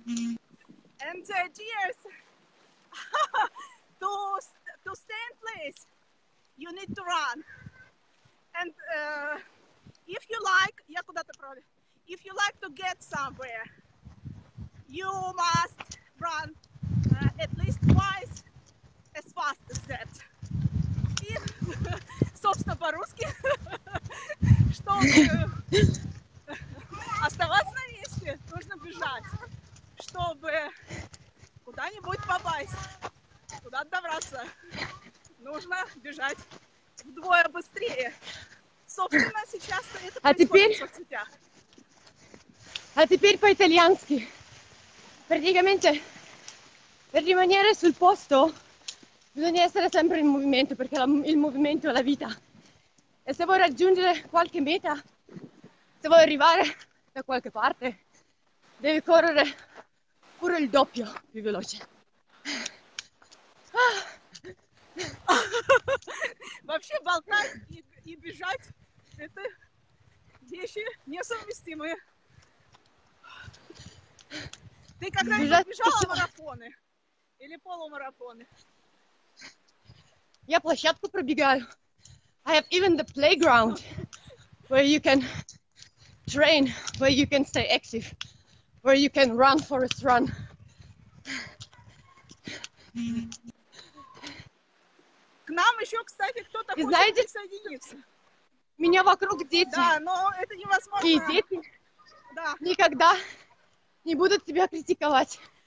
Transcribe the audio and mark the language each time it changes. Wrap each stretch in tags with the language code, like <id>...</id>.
<en>And the idea is to stay in place, you need to run. And if you like to get somewhere, you must run at least twice as fast as that.</en> <ru>И, собственно, по-русски, чтобы оставаться на месте, нужно бежать, чтобы куда-нибудь попасть, куда-то добраться, нужно бежать вдвое быстрее. Собственно, сейчас это происходит в соцсетях. А теперь по-итальянски.</ru> <it>Praticamente, per rimanere sul posto, bisogna essere sempre in movimento, perché il movimento è la vita. E se vuoi raggiungere qualche meta, se vuoi arrivare da qualche parte, devi correre pure il doppio più veloce.</it> <ru>Вообще болтать и бежать – это вещи несовместимые. Ты когда-нибудь бежала марафоны или полумарафоны? Я площадку пробегаю.</ru> <en>I have even the playground where you can train, where you can stay active, where you can run for a run.</en> <ru>К нам еще, кстати, кто-то хочет, знаете, присоединиться. Меня вокруг дети. Да, но это невозможно. И дети, да, никогда не будут тебя критиковать.</ru>